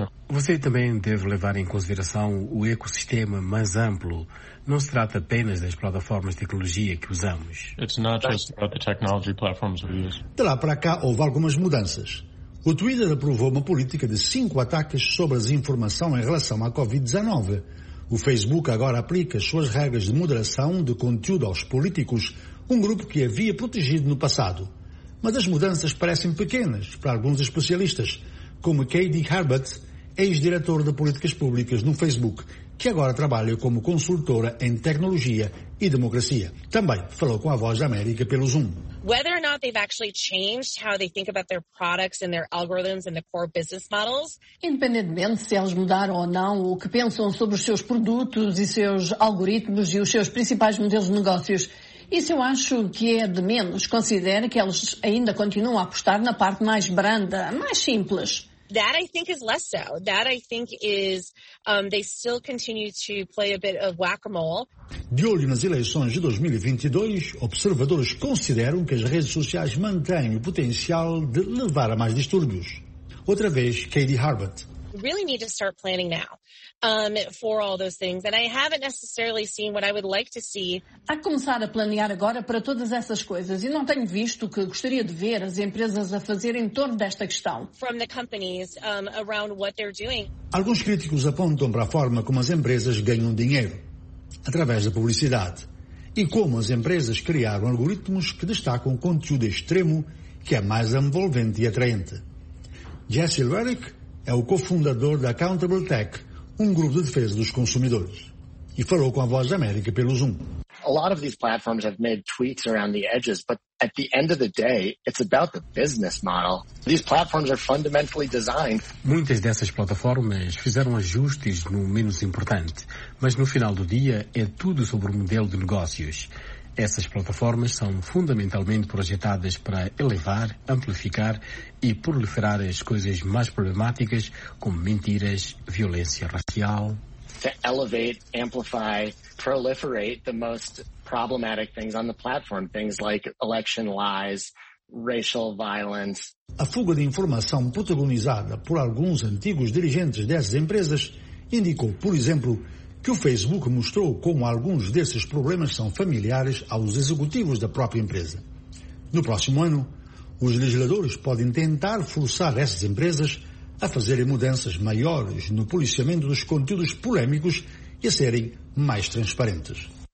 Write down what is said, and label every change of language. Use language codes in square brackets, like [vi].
[pt] Você também deve levar em consideração o ecossistema mais amplo. Não se trata apenas das plataformas de tecnologia que usamos. [en] It's not just about the technology platforms we use. [pt] De lá para cá, houve algumas mudanças. O Twitter aprovou uma política de 5 ataques sobre a desinformação em relação à Covid-19. O Facebook agora aplica as suas regras de moderação de conteúdo aos políticos, um grupo que havia protegido no passado. Mas as mudanças parecem pequenas para alguns especialistas, como Katie Herbert, ex-diretora de políticas públicas no Facebook, que agora trabalha como consultora em tecnologia e democracia. Também falou com a Voz da América pelo Zoom. [en] Whether or not they've actually changed how they think about their products and their algorithms and the core business models. [pt] Independentemente se eles mudaram ou não o que pensam sobre os seus produtos e seus algoritmos e os seus principais modelos de negócios. Isso eu acho que é de menos. Considero que eles ainda continuam a apostar na parte mais branda, mais simples. [en] That I think is less so. That I think is they still continue to play a bit of whack-a-mole. [pt] De olho nas eleições de 2022, observadores consideram que as redes sociais mantêm o potencial de levar a mais distúrbios. Outra vez, Katie Harbert. [en] Really need to start planning now for all those things, and I haven't necessarily seen what I would like to see. [pt] A começar a planear agora para todas essas coisas, e não tenho visto o que gostaria de ver as empresas a fazer em torno desta questão. [en] From the companies around what they're doing. [pt] Alguns críticos apontam para a forma como as empresas ganham dinheiro através da publicidade e como as empresas criaram algoritmos que destacam conteúdo extremo que é mais envolvente e atraente. Jesse Lurick é o cofundador da Accountable Tech, um grupo de defesa dos consumidores, e falou com a Voz da América pelo Zoom. [en] A lot of these platforms have made tweets around the edges, but at the end of the day, it's about the business model. These platforms are fundamentally designed. [pt] Muitas dessas plataformas fizeram ajustes no menos importante, mas no final do dia é tudo sobre o modelo de negócios. Essas plataformas são fundamentalmente projetadas para elevar, amplificar e proliferar as coisas mais problemáticas, como mentiras, violência racial. [en] To elevate, amplify, proliferate the most problematic things on the platform, things like election lies, racial violence. [pt] A fuga de informação protagonizada por alguns antigos dirigentes dessas empresas indicou, por exemplo, que o Facebook mostrou como alguns desses problemas são familiares aos executivos da própria empresa. No próximo ano, os legisladores podem tentar forçar essas empresas a fazerem mudanças maiores no policiamento dos conteúdos polémicos e a serem mais transparentes.